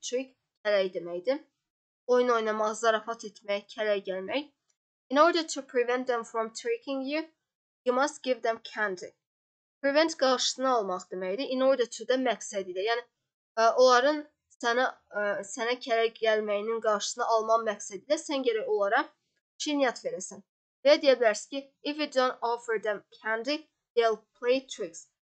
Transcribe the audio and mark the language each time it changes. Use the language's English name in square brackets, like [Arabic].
[Azerbaijani] Trick, kələk deməkdir. Oyun oynamaq, zarafat etmək, kələk gəlmək. [English] In order to prevent them from tricking you, you must give them candy. [Azerbaijani] Prevent qarşısını almaq deməkdir. In order to da məqsəd ilə. Yəni, onların sənə kələk gəlməyinin qarşısını almaq məqsədi ilə sən gərək onlara şirniyyat verəsən. Və deyə bilərsiniz ki, [English] if you don't offer them candy, they'll play tricks.